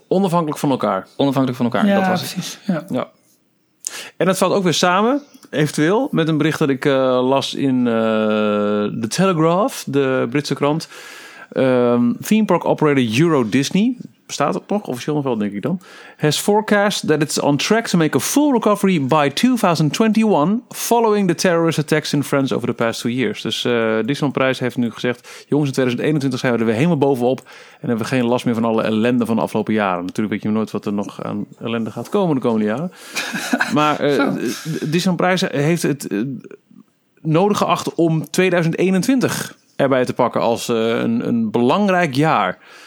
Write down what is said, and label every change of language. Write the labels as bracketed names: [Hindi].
[Dutch] onafhankelijk van elkaar. Onafhankelijk van elkaar, ja, dat was precies. Ja. En dat valt ook weer samen, eventueel, met een bericht dat ik las in The Telegraph, de Britse krant. [English] Theme park operator [Dutch] Euro Disney. Bestaat het nog? Officieel nog wel, denk ik dan. [English] Has forecast that it's on track to make a full recovery by 2021... following the terrorist attacks in France over the past 2 years. [Dutch] Dus Disneyland Parijs heeft nu gezegd, jongens, in 2021 zijn we er weer helemaal bovenop en hebben we geen last meer van alle ellende van de afgelopen jaren. Natuurlijk weet je nooit wat er nog aan ellende gaat komen de komende jaren. Maar Disneyland Parijs heeft het nodig geacht om 2021 erbij te pakken als een belangrijk jaar.